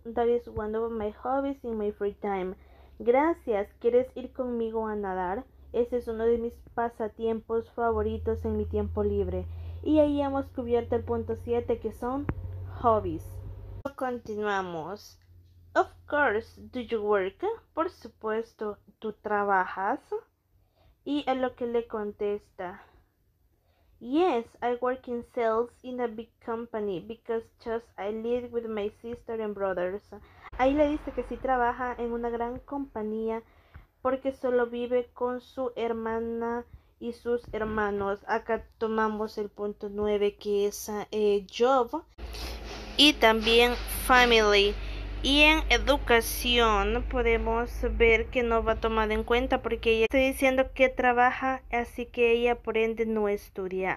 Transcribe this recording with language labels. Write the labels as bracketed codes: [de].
[en] That is one of my hobbies in my free time. [es] Gracias. ¿Quieres ir conmigo a nadar? Ese es uno de mis pasatiempos favoritos en mi tiempo libre. Y ahí hemos cubierto el punto 7, que son hobbies. Continuamos. [en] Of course, do you work? [es] Por supuesto, ¿tú trabajas? Y a lo que le contesta: [en] Yes, I work in sales in a big company because just I live with my sister and brothers. [es] Ahí le dice que sí trabaja en una gran compañía porque solo vive con su hermana y sus hermanos. Acá tomamos el punto 9, que es job, y también family. Y en educación podemos ver que no va tomada en cuenta porque ella está diciendo que trabaja, así que ella por ende no estudia.